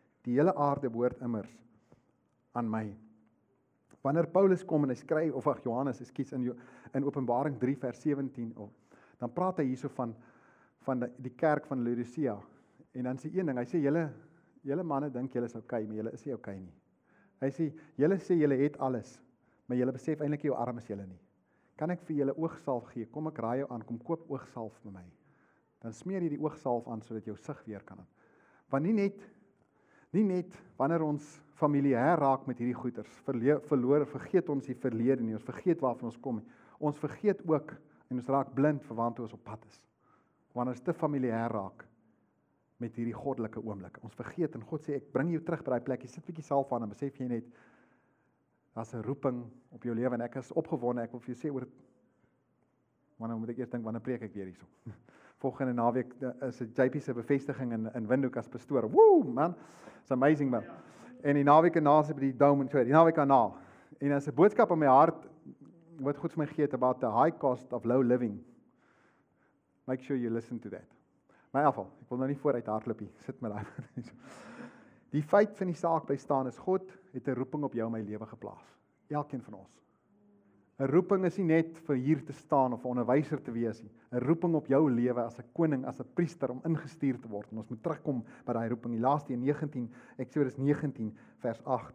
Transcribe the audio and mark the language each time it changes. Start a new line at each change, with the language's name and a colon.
Afrikaans: Die hele aarde behoort immers aan my. Wanneer Paulus kom en hy skryf of ag Johannes, ekskuus, in Openbaring 3 vers 17 of dan praat hy hierso van die kerk van Laodicea. En dan sê een ding, hy sê julle manne dink julle is okay, maar julle is nie okay nie. Hy sê julle sê julle het alles, maar julle besef eintlik hoe arm is julle nie. Kan ek vir julle oogsalf gee? Kom ek raai jou aan, kom koop oogsalf by my. Dan smeer jy die oogsalf aan sodat jou sig weer kan. Want nie net wanneer ons familier raak met hierdie goeders, vergeet ons die verlede nie, ons vergeet waarvan ons kom. Ons vergeet ook en ons raak blind vir waantoe ons op pad is. Wanneer ons te familier raak met hierdie goddelike oomblik. Ons vergeet en God sê, ek bring jou terug by daai plek, jy sit bietjie salf aan en besef jy net, daar's 'n roeping op jou lewe en ek is opgewonde, ek wil vir jou sê, wanneer moet ek eers dink, wanneer preek ek weer hierso? Volgende naweek is het JP se bevestiging in Windhoek as pastoor.
English: Woe man, it's amazing man.
Afrikaans: En die naweek en naas by die dome, sorry, die naweek en naas. En as 'n boodskap in my hart, wat God vir my gee,
English: about the high cost of low living, make sure you listen to that.
Afrikaans: Maar in geval, ek wil nou nie vooruit hardloop nie. Sit met daai. Die feit van die saak bly staan is God het 'n roeping op jou en my lewe geplaas. Elkeen van ons. 'n Roeping is nie net vir hier te staan of 'n onderwyser te wees nie. 'n Roeping op jou lewe as 'n koning, as 'n priester om ingestuur te word. En ons moet terugkom by daai roeping. Die laaste in Eksodus 19 vers 8.